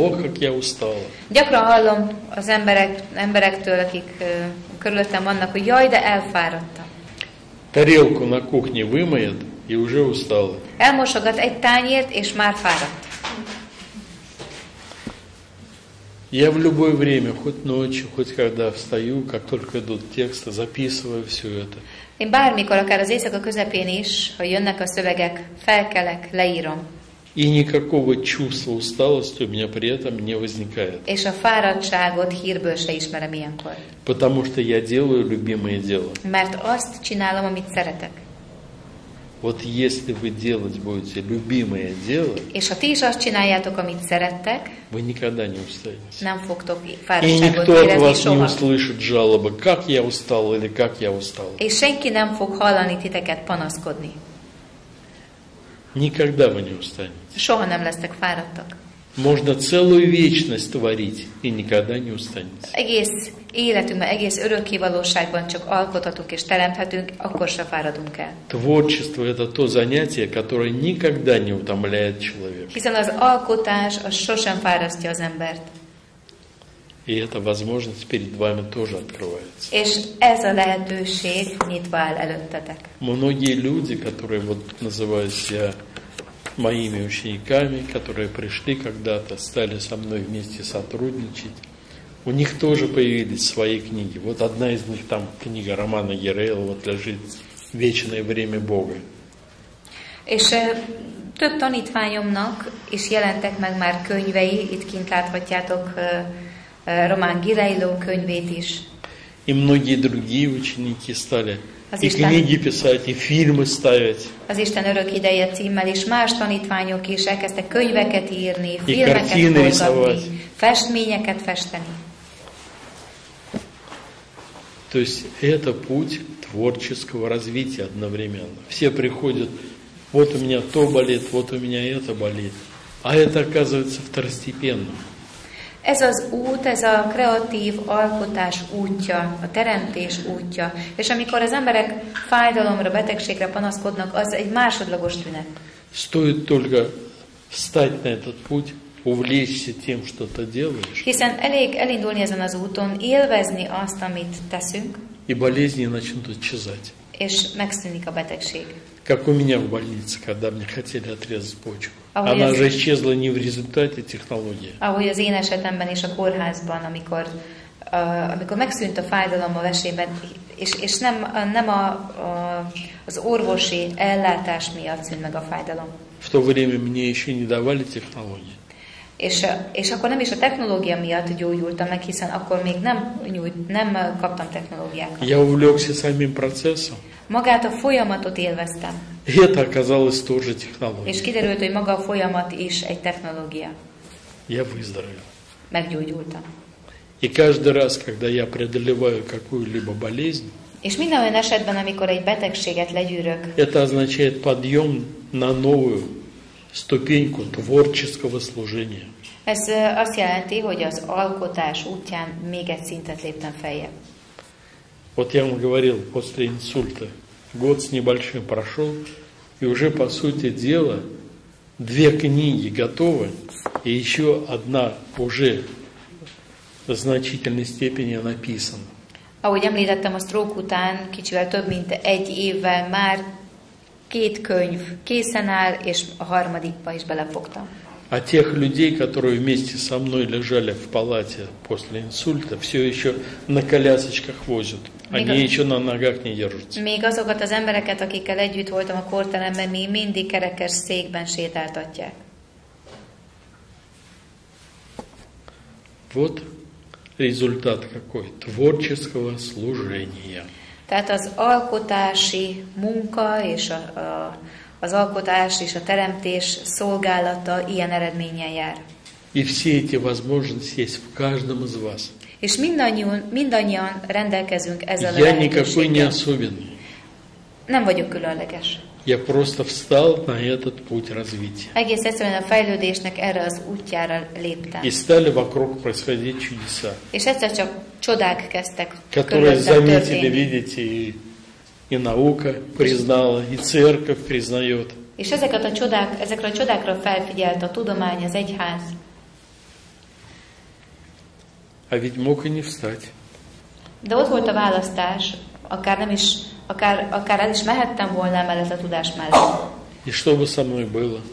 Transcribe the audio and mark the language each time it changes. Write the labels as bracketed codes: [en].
[ru] О, как я устала!» [hu] Gyakran hallom az emberektől, akik körülöttem vannak, hogy «Jaj, de elfáradtam!» [ru] Тарелку на кухне вымоет и уже устала. [hu] Elmosogat egy tányért, és már fáradt. [ru] Я в любое время, хоть ночью, хоть когда встаю, как только идут тексты, записываю все это. [hu] Én bármikor, akár az éjszaka közepén is, ha jönnek a szövegek, felkelek, leírom. [ru] И никакого чувства усталости у меня при этом не возникает. [hu] És a fáradtságot hírből se ismerem ilyenkor. [ru] Потому что я делаю любимое дело. [hu] Mert azt csinálom, amit szeretek. [ru] Вот если вы делать будете любимое дело, [hu] és ha ti is azt csináljátok, amit szerettek, [ru] вы никогда не устанете. [hu] Nem fogtok fáradtságot érezni soha. [ru] И никто от вас не услышит жалобы, как я устал или как я устал. [hu] És senki nem fog hallani titeket panaszkodni. [ru] Никогда вы не устанете. [hu] Soha nem lesztek fáradtak. [ru] Можно целую вечность творить и никогда не устанете. [hu] Egész életünkben, egész örökké valóságban csak alkothatunk és teremthetünk, akkor se fáradunk el. [ru] Творчество это то занятие, которое никогда не утомляет человека. [hu] Hiszen az alkotás az sosem fárasztja az embert. [ru] И эта возможность перед вами тоже открывается. [hu] És ez a lehetőség nyitva áll előttetek. [ru] Многие люди, которые вот называют себя моими учениками, которые пришли когда-то, стали со мной вместе сотрудничать, у них тоже появились свои книги. Вот одна из них там книга Романа Ерейла вот лежит «Вечное время Бога». [hu] És több tanítványomnak is jelentek meg már könyvei, itt kint láthatjátok Román Gireiló könyvét is. [ru] И многие другие ученики стали и книги писать, и фильмы ставить. [hu] Az Isten örök ideje címmel is más tanítványok is elkezdtek könyveket írni, filmeket forgatni, festményeket festeni. [ru] То есть это путь творческого развития одновременно. Все приходят, вот у меня то болит, вот у меня это болит. А это оказывается второстепенным. [hu] Ez az út, ez a kreatív alkotás útja, a teremtés útja. És amikor az emberek fájdalomra, betegségre panaszkodnak, az egy másodlagos tünet. [ru] Стоит только встать на этот путь, увлечься тем, что ты делаешь. [hu] Hiszen elég elindulni ezen az úton, élvezni azt, amit teszünk. [ru] И болезни начнут исчезать. [hu] És megszűnik a betegség. [ru] Как у меня в больнице, когда мне хотели отрезать почку. Она же исчезла не в результате технологии. [hu] Ahogy az én esetemben is a kórházban, amikor megszűnt a fájdalom a vesében, és nem az orvosi ellátás miatt szűnt meg a fájdalom. [ru] В то время мне еще не давали технологии. [hu] És akkor nem is a technológia miatt gyógyultam meg, hiszen akkor még nem kaptam technológiákat. [ru] Я увлекся самим процессом. [hu] Magát a folyamatot élveztem. [ru] Это оказалось тоже технология. [hu] És kiderült, hogy maga a folyamat is egy technológia. [ru] я выздоровел. [hu] Meggyógyultam. [ru] И каждый раз, когда я преодолеваю какую-либо болезнь, [hu] és minden olyan esetben, amikor egy betegséget legyűrök, [ru] это означает подъем на новую ступеньку творческого служения. [hu] Ez azt jelenti, hogy az alkotás útján még egy szintet léptem feljebb. [ru] Вот я вам говорил, после инсульта год с небольшим прошел, и уже, по сути дела, две книги готовы, и еще одна уже в значительной степени написана. [hu] Ahogy említettem, a stroke után kicsivel több mint egy évvel már két könyv készen áll, és a harmadikba is belefogtam. [ru] А тех людей, которые вместе со мной лежали в палате после инсульта, все еще на колясочках возят. Они еще на ногах не держатся. [hu] Még azokat az embereket, akikkel együtt voltam a kórteremben, még mindig kerekes székben sétáltatják. [ru] Вот результат какой. Творческого служения. [hu] Tehát az alkotási munka és az alkotás és a teremtés szolgálata ilyen eredménnyel jár. [ru] И все эти возможности есть в каждом из вас. [hu] És mindannyian rendelkezünk ezzel a lehetőséggel. [ru] Я никакой не особенный. [hu] Nem vagyok különleges. [ru] Я просто встал на этот путь развития. [hu] Egész egyszerűen a fejlődésnek erre az útjára léptem. [ru] И стали вокруг происходить чудеса. [hu] És egyszer csak csodák kezdtek [ru] Которые заметили, видите, и наука признала, и церковь признает. [hu] És ezekre a csodákra felfigyelt a tudomány, az egyház. [ru] А ведь мог и не встать. Да вот [hu] volt a választás, akár nem is, akár el is mehettem volna mellett a tudás mellett. [ru] И что бы со мной было?